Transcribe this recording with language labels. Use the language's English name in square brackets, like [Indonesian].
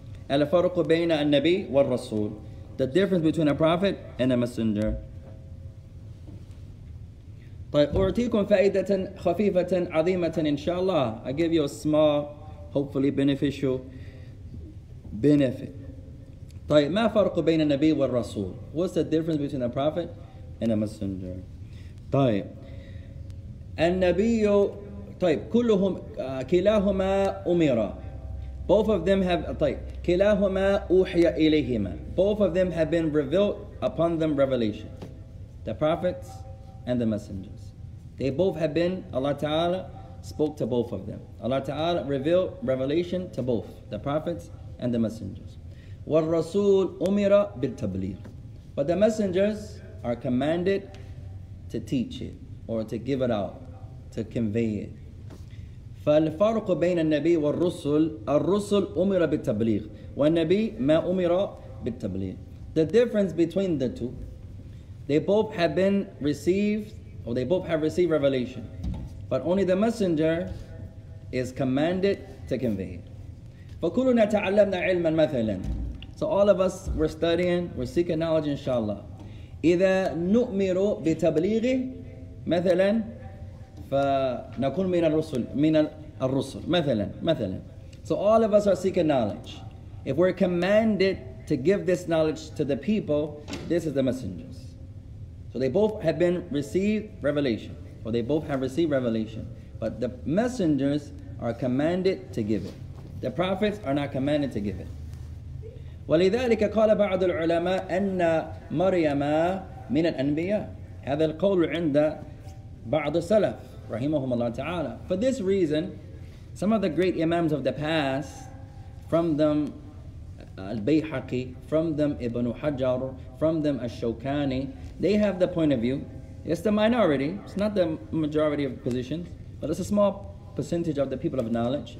[Arabic] الفرق بين النبي والرسول. [English] The difference between a prophet and a messenger. [Arabic] طيب أعطيكم فائدة خفيفة عظيمة إن شاء الله. [English] I give you a small, hopefully beneficial benefit. [Arabic] طيب ما فرق بين النبي والرسول? [English] What's the difference between a prophet and a messenger? [Arabic] طيب. النبي طيب كلهم كلاهما أمرا. كلاهما أوحي إليهما. [English] Both of them have been revealed upon them revelation. The prophets and the messengers. They both have been, Allah Ta'ala spoke to both of them. Allah Ta'ala revealed revelation to both, the prophets and the messengers. [Arabic] والرسول أمرا بالتبليغ. [English] But the messengers are commanded to teach it or to give it out. To convey it. [Arabic] فالفرق بين النبي والرسل, الرسل أمر بالتبليغ والنبي ما أمر بالتبليغ. [English] The difference between the two, they both have been received, or they both have received revelation, but only the messenger is commanded to convey it. [Arabic] فكلنا تعلمنا علما مثلا. [English] So all of us, we're studying, we're seeking knowledge, inshallah. [Arabic] إذا نؤمر بتبليغه مثلا فنكون من الرسل من الرسل مثلا مثلا. [English] So all of us are seeking knowledge. If we're commanded to give this knowledge to the people, this is the messengers. So they both have been received revelation, or they both have received revelation. But the messengers are commanded to give it. The prophets are not commanded to give it. [Arabic] ولذلك قال بعض العلماء أن مريم من الأنبياء. هذا القول عند بعض السلف رحمهم الله تعالى. [English] For this reason, some of the great imams of the past, from them Al-Bayhaqi, from them Ibn Hajar, from them Ash-Shawkani, they have the point of view. It's the minority, it's not the majority of positions, but it's a small percentage of the people of knowledge.